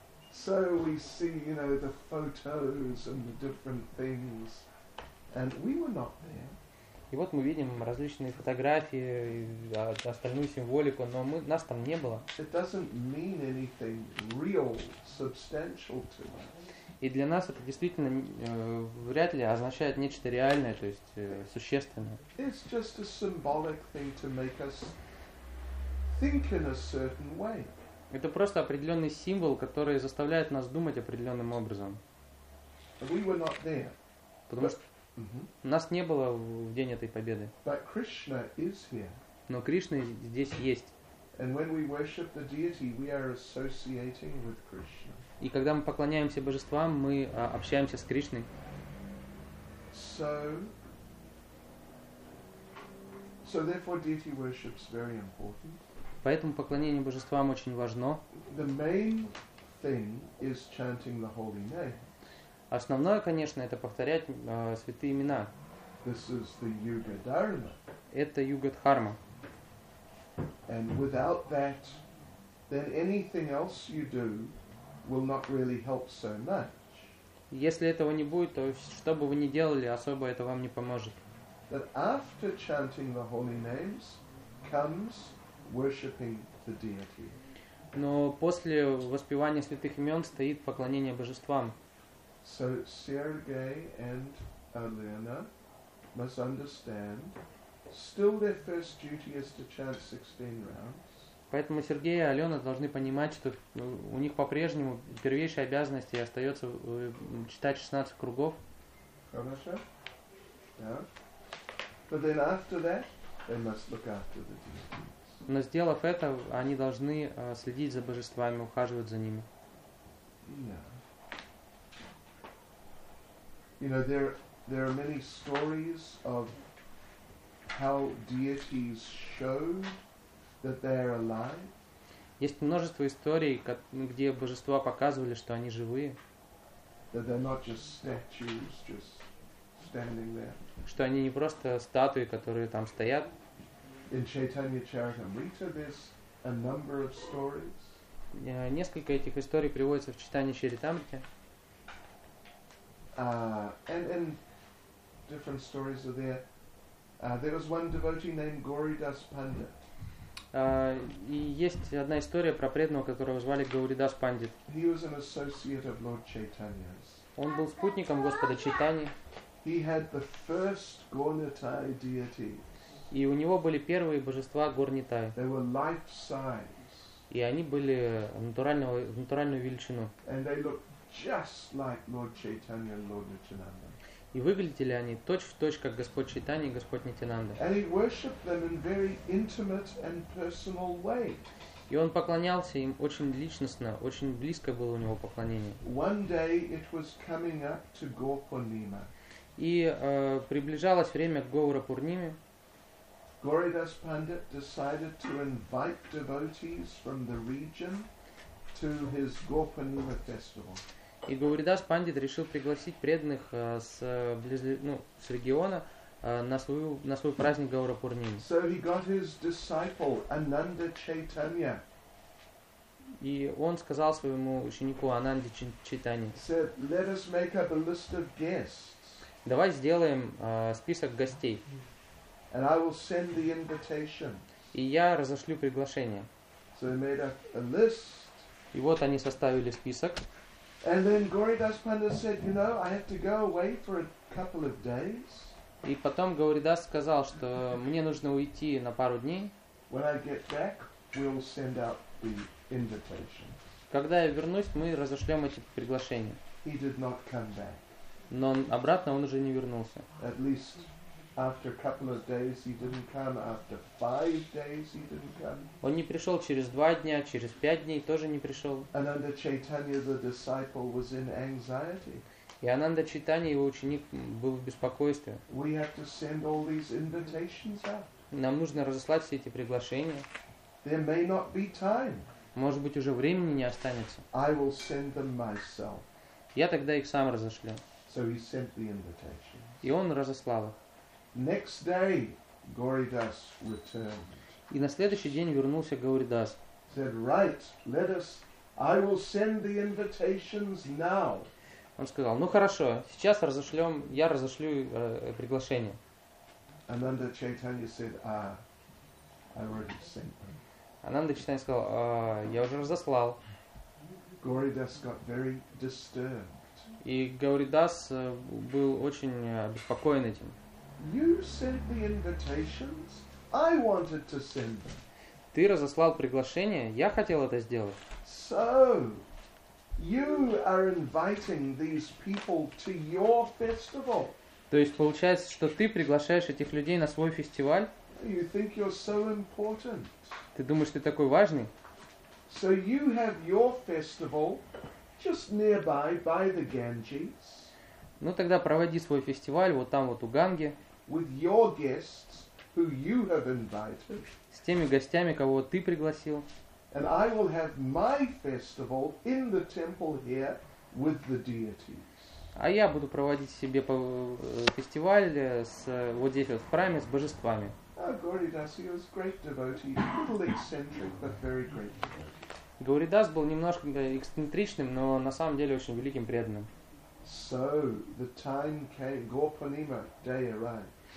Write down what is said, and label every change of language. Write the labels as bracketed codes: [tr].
[en] So we see, you know, the photos and the different things, and we were not there. [ru] И вот мы видим различные фотографии, остальную символику, но нас там не было. [en] It doesn't mean anything real, substantial to us. [ru] И для нас это действительно вряд ли означает нечто реальное, то есть существенное. [en] It's just a symbolic thing to make us think in a certain way. [ru] Это просто определенный символ, который заставляет нас думать определенным образом. [en] We were not there. [ru] Потому что нас не было в день этой победы. [en] But Krishna is here. [ru] Но Кришна здесь есть. [en] And when we worship the deity, we are associating with Krishna. [ru] И когда мы поклоняемся божествам, мы общаемся с Кришной. [en] So therefore deity worship is very important. [ru] Поэтому поклонение божествам очень важно. [en] The main thing is chanting the holy name. [ru] Основное, конечно, это повторять святые имена. [en] This is the Yuga Dharma. [ru] Это Юга Дхарма. [en] And without that, then anything else you do will not really help so much. [ru] Если этого не будет, то что бы вы ни делали, особо это вам не поможет. [en] But after chanting the holy names comes worshipping the deity. [ru] Но после воспевания святых имен стоит поклонение божествам. [en] So Sergei and Alena must understand, still their first duty is to chant 16 rounds. [ru] Поэтому Сергей и Алена должны понимать, что у них по-прежнему первейшей обязанности остается читать 16 кругов. Хорошо? Да. [en] But then after that, they must look after the deity. [ru] Но сделав это, они должны следить за божествами, ухаживать за ними. [en] Yeah. You know, there are many stories of how deities show that they are alive. [ru] Есть множество историй, где божества показывали, что они живые. [en] That they're not just statues, just standing there. [ru] Что они не просто статуи, которые там стоят. [en] In Chaitanya Charitamrita there's a number of stories. [ru] Несколько этих историй приводится в Чайтанья Чаритамрите. [en] And different stories are there. There was one devotee named Gauridas Pandit. [ru] И есть одна история про преданного, которого звали Гауридас Пандит. [en] He was an associate of Lord Chaitanya's. [ru] Он был спутником Господа Чайтаньи. [en] He had the first Gornitai deities. [ru] И у него были первые божества Горнитай. [en] They were life size. [ru] И они были натуральную величину. [en] And they looked just like Lord Chaitanya and Lord Nityananda. [ru] И выглядели они точь-в-точь, как Господь Чайтанья и Господь Нитянанда. [en] And he worshipped them in very intimate and personal way. [ru] И он поклонялся им очень личностно, очень близко было у него поклонение. [en] One day it was coming up to Gaur-Purnima. [ru] И приближалось время к Гаура-Пурниме. [en] Gauridas Pandit decided to invite devotees from the region to his Gaur-Purnima festival. [ru] И Гауридас Пандит решил пригласить преданных с региона на свой праздник Гаура-Пурнима. [en] So he got his disciple Ananda Chaitanya. [ru] И он сказал своему ученику Ананде Чайтанье. [en] Said, let us make up a list of guests. [ru] Давай сделаем список гостей. [en] And I will send the invitation. [ru] И я разошлю приглашение. [en] So they made up a list. [ru] И вот они составили список. [en] And then Gauridas Pandit said, you know, I have to go away for a couple of days. [ru] И потом Гауридас сказал, что мне нужно уйти на пару дней. [en] When I get back, we'll send out the invitation. [ru] Когда я вернусь, мы разошлем эти приглашения. [en] He did not come back. [ru] Но обратно он уже не вернулся. [en] At least after a couple of days he didn't come, after 5 days he didn't come. [ru] Он не пришел через 2 дня, через 5 дней тоже не пришел. [en] Ananda Chaitanya, the disciple, was in anxiety. [ru] И Ананда Чайтанья, его ученик, был в беспокойстве. [en] We have to send all these invitations out. [ru] Нам нужно разослать все эти приглашения. [en] There may not be time. [ru] Может быть, уже времени не останется. [en] I will send them myself. [ru] Я тогда их сам разошлю. [en] So he sent the invitation. [ru] И он разослал их. [en] Next day, Gauridas returned. [ru] И на следующий день вернулся Гауридас. [en] Said, right, let us. I will send the invitations now. [ru] Он сказал, ну хорошо, сейчас разошлем, я разошлю приглашение. [en] Ananda Chaitanya said, I already sent them. [ru] Ананда Чайтанья сказал, я уже разослал. [en] Gauridas got very disturbed. [ru] И Гауридас был очень обеспокоен этим. [en] You sent the invitations. I wanted to send them. [ru] Ты разослал приглашение, я хотел это сделать. [en] So, you are inviting these people to your festival. [ru] То есть получается, что ты приглашаешь этих людей на свой фестиваль? [en] You think you're so important. [ru] Ты думаешь, ты такой важный? [en] So you have your festival just nearby by the Ganges. [ru] Ну тогда проводи свой фестиваль вот там вот у Ганги. [en] With your guests who you have invited. [ru] С теми гостями, кого ты пригласил. [en] And I will have my festival in the temple here with the deities. [ru] А я буду проводить себе фестиваль вот здесь вот в храме с божествами. [en] Oh, Gauridas, he was a great devotee, a little eccentric, but very great devotee. [ru] Гауридас был немножко эксцентричным, но на самом деле очень великим преданным. [en] So the time came, Gaur-Purnima day arrived.